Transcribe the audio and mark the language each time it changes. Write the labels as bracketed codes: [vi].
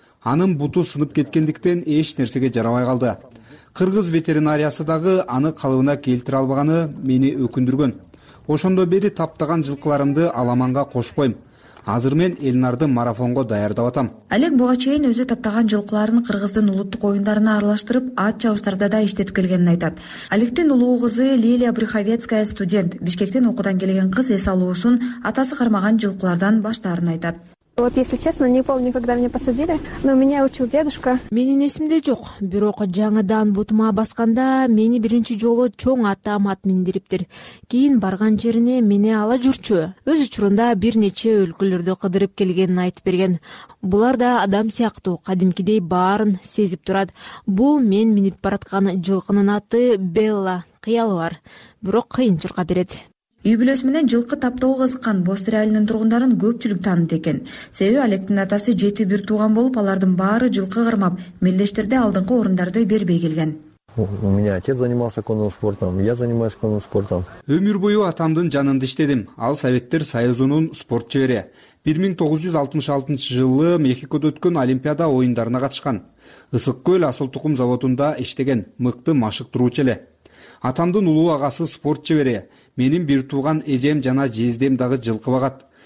[ky] Анын буту сынып кеткендиктен эч нерсеге жарабай калды. Кыргыз ветеринариясы дагы аны калыбына келтире албаганы мени өкүндүргөн. Ошондо бери таптаган жылкыларымды аламанга кошпойм. Азыр мен Элнарды марафонго даярдап атам. Олег буга чейин өзү таптаган жылкыларын кыргыздын улуттук оюндарына аралаштырып, ат чабыштарда да иштетип келгенин айтат. Олегтин улуу кызы Лилия Брюховецкая студент. Бишкектен окуудан келген кыз эс алуусун атасы кармаган жылкылардан баштаарын айтат. [ru] Вот если честно, не помню, когда меня посадили, но меня учил дедушка. [ky] Менин эсимде жок, бирок жаңадан бутума басканда мени биринчи жолу чоң атам ат миндириптир. Кийин барган жерине мени ала жүрчү. Өз учурунда бир нече өлкөлөрдө кыдырып келгенин айтып берген. Булар да адам сыяктуу кадимкидей баарын сезип турат. Бул мен минип бараткан жылкынын аты Белла. Кыялы бар, бирок кыйын чурка берет. Үй бүлөсү менен жылкы таптоого кызыккан Бостер айылынын тургундарын көпчүлүк таанып экен. Себеби Олегтин атасы 7 бир тууган болуп, алардын баары жылкы кармап, мелдештерде алдыңкы орундарды бербей келген. [ru] У меня отец занимался конным спортом, я занимаюсь конным спортом. [ky] Өмүр бою атамдын жанында иштедим. Ал Советтер Союзунун спорт чебери. 1966 жылы Мехикодо өткөн Олимпиада оюндарына катышкан. Ысык Көл асыл тукум заводунда иштеген мыкты машыктыруучу эле. Атамдын улуу агасы спорт чебери. Менин бир тууган эжем жана жездем дагы жылкы багат.